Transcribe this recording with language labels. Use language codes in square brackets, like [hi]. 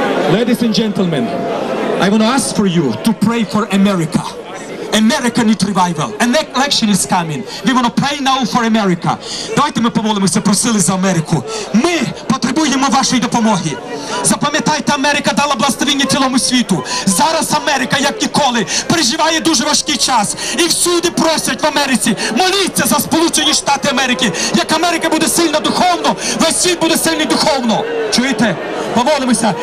[en] Ladies and gentlemen, I want to ask for you to pray for America. America needs revival. An election is coming. We want to pray now for America. [uk] Давайте ми помолимося, просили за Америку. Ми потребуємо вашої допомоги. Запам'ятайте, Америка дала благословіння цілому світу. Зараз Америка, як ніколи, переживає дуже важкий час. І всюди просять в Америці моліться за Сполучені Штати Америки. Як Америка буде сильна духовно, весь світ буде сильний духовно. Чуєте? Помолимося.